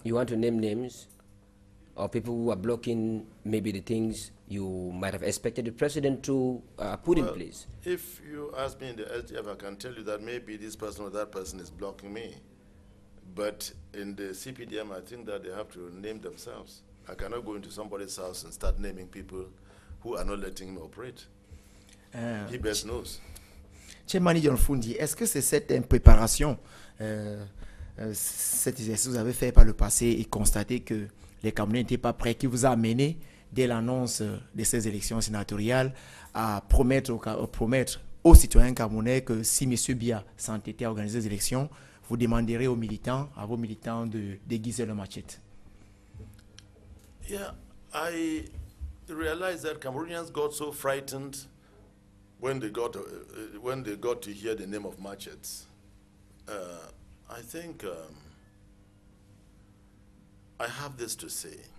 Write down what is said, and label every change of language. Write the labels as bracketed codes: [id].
[en] You want to name names of people who are blocking maybe the things you might have expected the president to put in place? If you ask me in the SDF, I can tell you that maybe this person or that person is blocking me. But in the CPDM, I think that they have to name themselves. I cannot go into somebody's house and start naming people who are not letting him operate. He best knows. [fr] Chairman John Fundi, est-ce que c'est cette impréparation, cet exercice que vous avez fait par le passé et constaté que les Camerounais n'étaient pas prêts, qui vous a amené, dès l'annonce de ces élections sénatoriales, à promettre aux citoyens camerounais que si M. Biya s'entêtait à organiser les élections, vous demanderez aux militants, à vos militants, de déguiser leur machette? [en] Yeah, I realized that Cameroonians got so frightened when they got to hear the name of Machet. I think I have this to say.